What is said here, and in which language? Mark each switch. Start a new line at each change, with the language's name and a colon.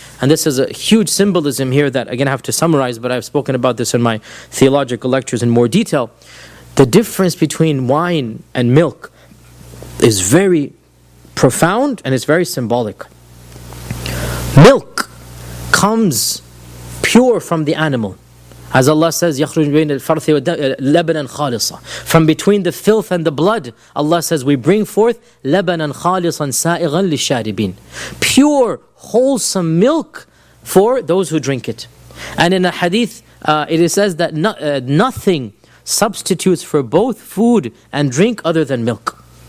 English: And this is a huge symbolism here that, again, I have to summarize, but I've spoken about this in my theological lectures in more detail. The difference between wine and milk is very profound and it's very symbolic. Milk comes pure from the animal. As Allah says,
Arabic: يَخْرُجْ بَيْنَ الْفَرْثِ وَلَبَنًا خَالِصًا.
English: From between the filth and the blood, Allah says, we bring forth
Arabic: لَبَنًا خَالِصًا سَائِغًا لِلشَّارِبِينَ.
English: Pure, wholesome milk for those who drink it. And in a hadith, it says that nothing substitutes for both food and drink other than milk.